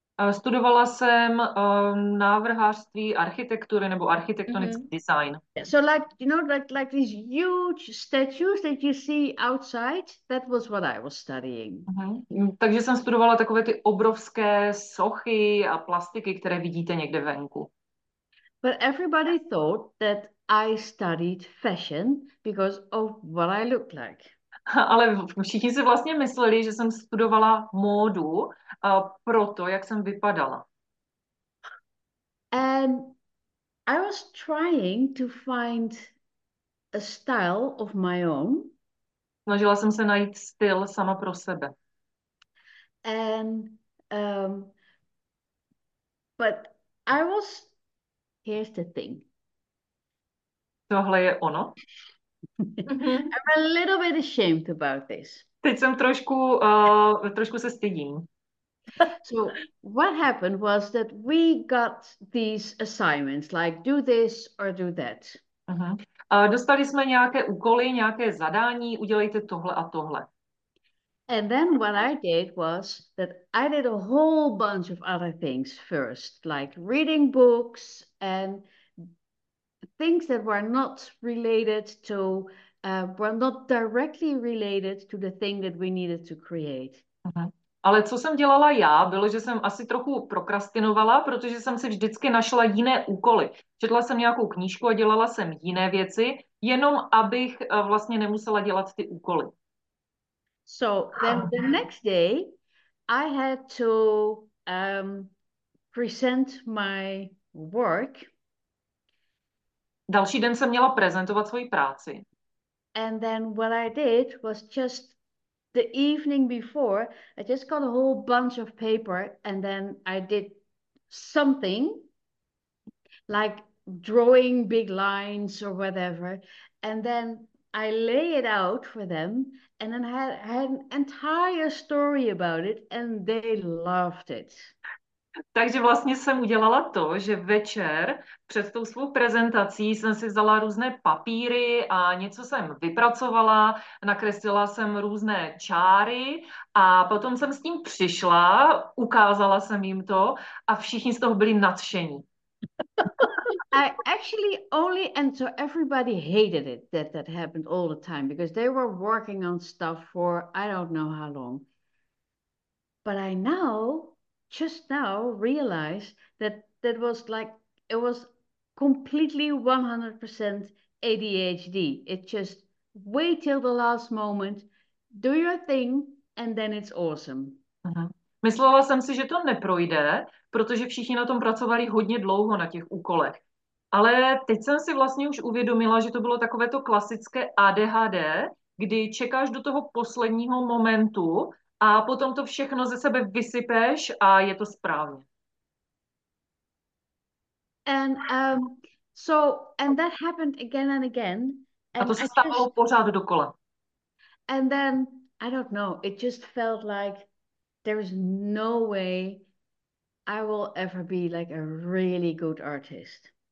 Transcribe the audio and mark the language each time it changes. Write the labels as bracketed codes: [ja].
[cs] Studovala jsem návrhářství, architektury nebo architektonický design. [en] So like these huge statues that you see outside, that was what I was studying. [cs] Takže jsem studovala takové ty obrovské sochy a plastiky, které vidíte někde venku. [en] But everybody thought that I studied fashion because of what I looked like. [cs] Ale všichni si vlastně mysleli, že jsem studovala módu proto, jak jsem vypadala. [en] And I was trying to find a style of my own. [cs] Snažila jsem se najít styl sama pro sebe. [en] And but I was here's the thing. [cs] Tohle je ono. [en] I'm a little bit ashamed about this. [cs] Teď jsem trošku se stydím. [en] So what happened was that we got these assignments, like do this or do that. [cs] Dostali jsme nějaké úkoly, nějaké zadání, udělejte tohle a tohle. [en] And then what I did was that I did a whole bunch of other things first, like reading books and things that were not related to, were not directly related to the thing that we needed to create. [cs] Ale co jsem dělala já, bylo, že jsem asi trochu prokrastinovala, protože jsem si vždycky našla jiné úkoly. Četla jsem nějakou knížku a dělala jsem jiné věci, jenom abych vlastně nemusela dělat ty úkoly. [en] So then the next day, I had to present my work. [cs] Další den jsem měla prezentovat svoji práci. [en] And then what I did was just the evening before, I just got a whole bunch of paper and then I did something like drawing big lines or whatever. And then I lay it out for them and then I had an entire story about it and they loved it. [cs] Takže vlastně jsem udělala to, že večer před tou svou prezentací jsem si vzala různé papíry a něco jsem vypracovala, nakreslila jsem různé čáry a potom jsem s tím přišla, ukázala jsem jim to a všichni z toho byli nadšení. [en] I actually only, and so everybody hated it that that happened all the time because they were working on stuff for I don't know how long. But I know just now realize that that was like it was completely 100% ADHD. It just wait till the last moment, do your thing, and then it's awesome. [cs] Myslela jsem si, že to neprojde, protože všichni na tom pracovali hodně dlouho na těch úkolech. Ale teď jsem si vlastně už uvědomila, že to bylo takové to klasické ADHD, kdy čekáš do toho posledního momentu a potom to všechno ze sebe vysypeš a je to správně. [en] And so and that happened again and again [cs] and a to se stávalo pořád dokola. [en] And then I don't know, it just felt like there is no way I will ever be like a really good artist.